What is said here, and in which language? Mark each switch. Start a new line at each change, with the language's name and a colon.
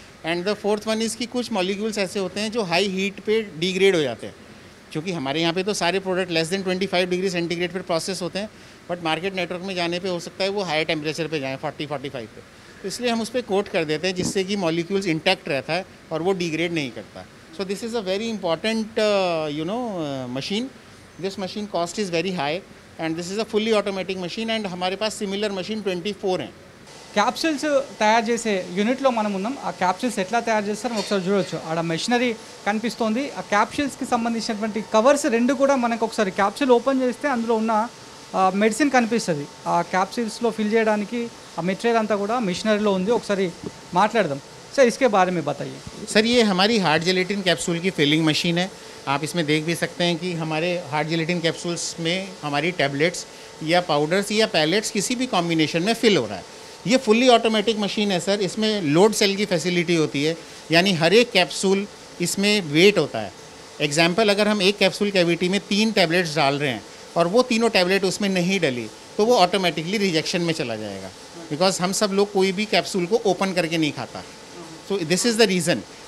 English: and the fourth one is
Hindi: कि कुछ molecules ऐसे होते हैं जो हाई हीट पे डिग्रेड हो जाते हैं, क्योंकि हमारे यहाँ पे तो सारे product less than 25 degree centigrade पर प्रोसेस होते हैं, बट मार्केट नेटवर्क में जाने पे हो सकता है वो हाई टेम्परेचर पे जाएँ 40-45 पे, तो इसलिए हम उस पर कोट कर देते हैं जिससे कि मॉलिक्यूल्स इंटैक्ट रहता है और वो डिग्रेड नहीं करता।
English: So this is a very important you know machine. This machine cost is very high and this is a fully automatic machine and
Hindi: हमारे पास सिमिलर मशीन 24 हैं।
Telugu: క్యాప్సూల్స్ తయారు చేసే యూనిట్లో మనం ఉన్నాం, ఆ క్యాప్సూల్స్ ఎట్లా తయారు చేస్తారో ఒకసారి చూడవచ్చు. ఆడ మెషినరీ కనిపిస్తోంది, ఆ క్యాప్సూల్స్కి సంబంధించినటువంటి కవర్స్ రెండు కూడా మనకు ఒకసారి క్యాప్సూల్ ఓపెన్ చేస్తే అందులో ఉన్న మెడిసిన్ కనిపిస్తుంది. ఆ క్యాప్సూల్స్లో ఫిల్ చేయడానికి ఆ మెటీరియల్ అంతా కూడా మెషినరీలో ఉంది, ఒకసారి మాట్లాడదాం.
Hindi: సార్ ఇస్కే బారే మే బతాయియే. సార్ ఇది హమారీ heart gelatin క్యాప్సూల్కి filling machine high. ఆప్ ఇస్మే దేఖ్ భీ సక్తే హై కి హమారే హార్ట్ జెలటిన్ క్యాప్సూల్స్ మే హమారీ tablets yeah powders yeah palettes కిసీ భీ కాంబినేషన్ మే ఫిల్ హో రహా హై. ये फुल्ली ऑटोमेटिक मशीन है सर, इसमें लोड सेल की फैसिलिटी होती है, यानी हर एक कैप्सूल इसमें वेट होता है। एग्जांपल, अगर हम एक कैप्सूल कैविटी में 3 टैबलेट्स डाल रहे हैं और वो तीनों टैबलेट उसमें नहीं डली तो वो ऑटोमेटिकली रिजेक्शन में चला जाएगा, बिकॉज हम सब लोग कोई भी कैप्सूल को ओपन करके नहीं खाता,
English: So this is the reason.